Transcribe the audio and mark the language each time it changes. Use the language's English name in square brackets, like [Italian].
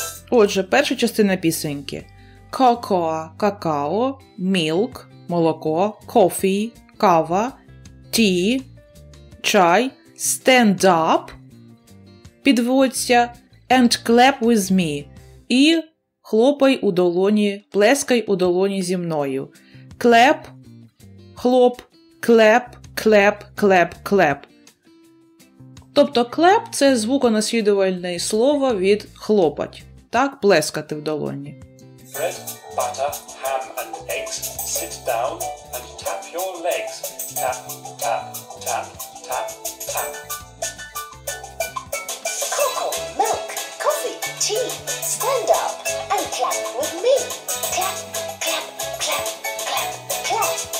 [Ukrainian] Отже, перша частина пісеньки. [English] Cocoa [Ukrainian] – какао, [English] milk [Ukrainian] – молоко, [English] coffee [Ukrainian] – кава, [English] tea [Ukrainian] – чай, [English] stand up [Ukrainian] – підводься, [English] and clap with me [Ukrainian] – і хлопай у долоні, плескай у долоні зі мною. [English] Clap – [Ukrainian] хлоп, [English] clap, clap, clap, clap. [Ukrainian] Тобто clap – це звуконаслідувальне слово від хлопать. Так, плескати в долоні. [English] Bread, butter, ham and eggs. Sit down and tap your legs. Tap, tap, tap, tap, tap. Cocoa, milk, coffee, tea. Stand up and clap with me. Clap, clap, clap, clap, clap.